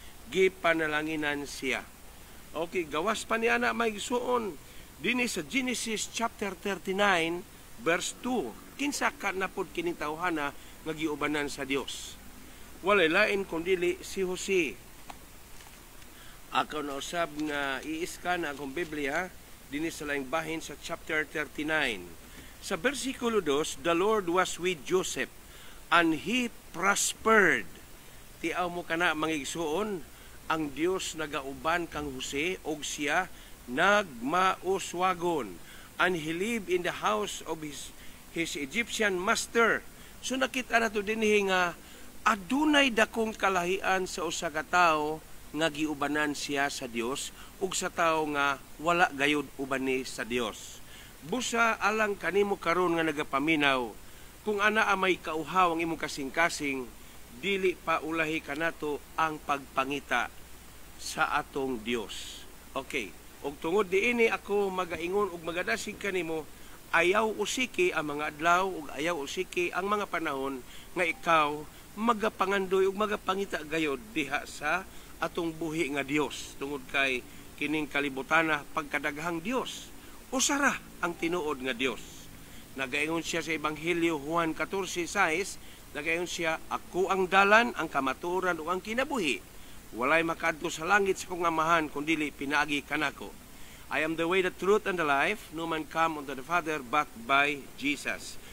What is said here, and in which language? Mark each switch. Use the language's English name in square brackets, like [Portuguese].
[Cebuano] Gipanalanginan siya. Okay, gawas pa ni ana may gisuon dinhi sa Genesis chapter 39 verse 2. Kinsa ka napud kining tawhana nga giubanan sa Dios? Walay lain kundili si Jose. Ako na usab nga iiskan akong Biblia dinhi sa laing bahin sa chapter 39. Sa versikulo 2, [English] the Lord was with Joseph and he prospered. [Cebuano] Tiaw mo kana mangigsuon, ang Dios nagauban kang Jose og siya nagmauswagon, [English] and he lived in the house of his Egyptian master. [Cebuano] So nakita nato dinhi nga adunay dakong kalahian sa usa ka tawo nga giubanan siya sa Dios og sa tawo nga wala gayud uban ni sa Dios. Busa alang kanimo karon nga nagapaminaw, kung ana amay kauhaw ang imong kasing-kasing, dili pa ulahi kanato ang pagpangita sa atong Dios. Okay, og tungod diini ako magaingon og magadasig kanimo, ayaw usiki ang mga adlaw og ayaw usiki ang mga panahon nga ikaw magapangandoy og magapangita gayod diha sa atong buhi nga Dios, tungod kay kining kalibutana pagkadaghang Dios. Usara ang tinuod nga Dios. Nagaingon siya sa Ebanghelyo Juan 14:6, nagaingon siya, ako ang dalan, ang kamaturan o ang kinabuhi. Walay makadto sa langit sa kong amahan, kundili pinaagi kanako. [English] I am the way, the truth, and the life. No man come unto the Father but by Jesus.